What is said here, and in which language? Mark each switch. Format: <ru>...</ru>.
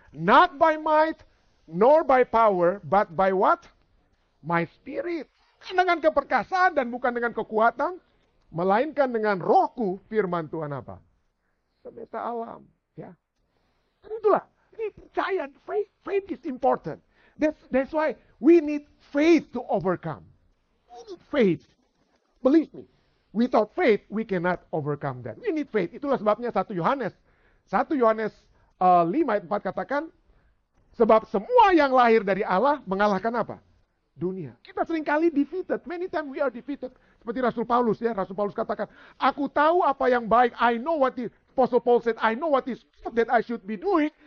<en>Not by might nor by power, but by what? My spirit.</en> <id>Dengan keperkasaan dan bukan dengan kekuatan, melainkan dengan rohku, firman Tuhan apa? Semesta alam, ya. Itulah. Ini percaya,</id> <en>faith, faith is important. That's why we need faith to overcome. We need faith. Believe me, without faith, we cannot overcome that. We need faith.</en> <id>Itulah sebabnya 1 Yohanes 5 ayat 4 katakan, sebab semua yang lahir dari Allah mengalahkan apa? Dunia. Kita seringkali</id> <en>defeated. Many times we are defeated.</en> <id>Seperti Rasul Paulus ya. Rasul Paulus katakan, aku tahu apa yang baik.</id> <en>I know what the Apostle Paul said. I know what is good that I should be doing.</en>